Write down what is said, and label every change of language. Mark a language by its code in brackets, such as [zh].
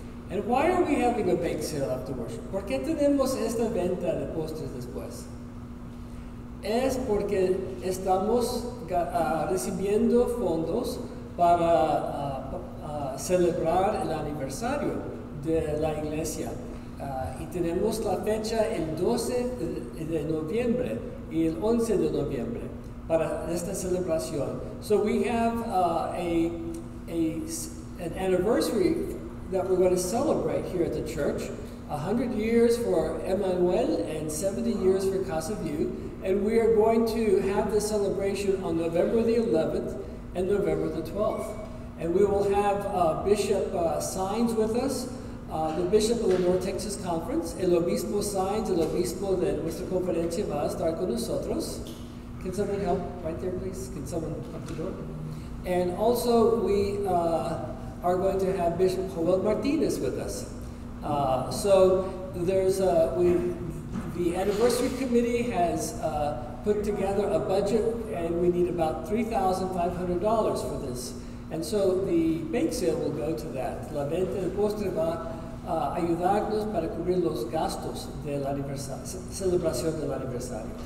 [en] And why are we having a bake sale after worship? [es] ¿Por qué tenemos esta venta de postres después? Es porque estamos recibiendo fondos para celebrar el aniversario de la iglesia. Y tenemos la fecha el 12 de noviembre y el 11 de noviembre para esta celebración. [en] So we have an anniversary that we're going to celebrate here at the church, 100 years for Emanu-El and 70 years for Casa View, and we are going to have the celebration on November the 11th and November the 12th. And we will have Bishop Sines with us, the Bishop of the North Texas Conference, [es] el Obispo Sines, el Obispo de nuestra conferencia va a estar con nosotros. [en] Can someone help right there, please? Can someone come to the door? And also we are going to have Bishop Joel Martinez with us. The anniversary committee has put together a budget, and we need about $3,500 for this. And so the bake sale will go to that. [es] La venta de postre va a ayudarnos para cubrir los gastos de la celebración del aniversario.